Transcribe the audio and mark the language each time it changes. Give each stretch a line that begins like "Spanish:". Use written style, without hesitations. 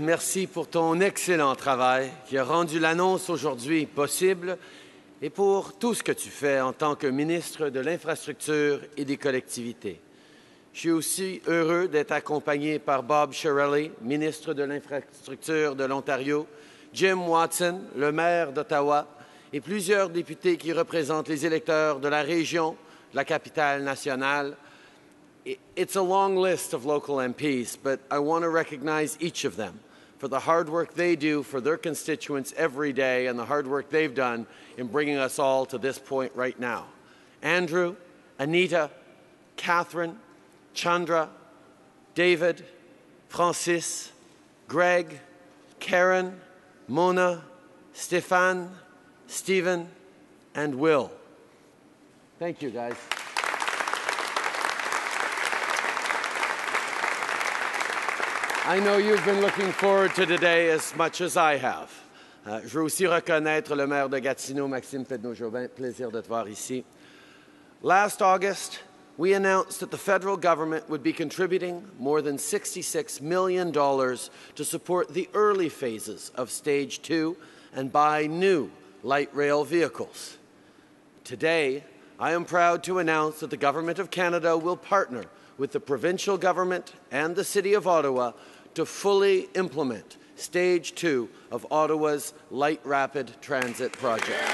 French: Merci pour ton excellent travail qui a rendu l'annonce aujourd'hui possible et pour tout ce que tu fais en tant que ministre de l'Infrastructure et des Collectivités. Je suis aussi heureux d'être accompagné par Bob Shirelli, ministre de l'Infrastructure de l'Ontario, Jim Watson, le maire d'Ottawa, et plusieurs députés qui représentent les électeurs de la région, de la capitale nationale.
English: It's a long list of local MPs, but I want to recognize each of them for the hard work they do for their constituents every day and the hard work they've done in bringing us all to this point right now. Andrew, Anita, Catherine, Chandra, David, Francis, Greg, Karen, Mona, Stefan, Stephen, and Will. Thank you, guys. I know you've been looking forward to today as much as I have.
French: Je veux aussi reconnaître le maire de Gatineau, Maxime Pedneau-Jobin. Plaisir de te voir ici.
English: Last August, we announced that the federal government would be contributing more than $66 million to support the early phases of Stage 2 and buy new light rail vehicles. Today, I am proud to announce that the Government of Canada will partner with the provincial government and the City of Ottawa to fully implement Stage 2 of Ottawa's Light Rapid Transit project.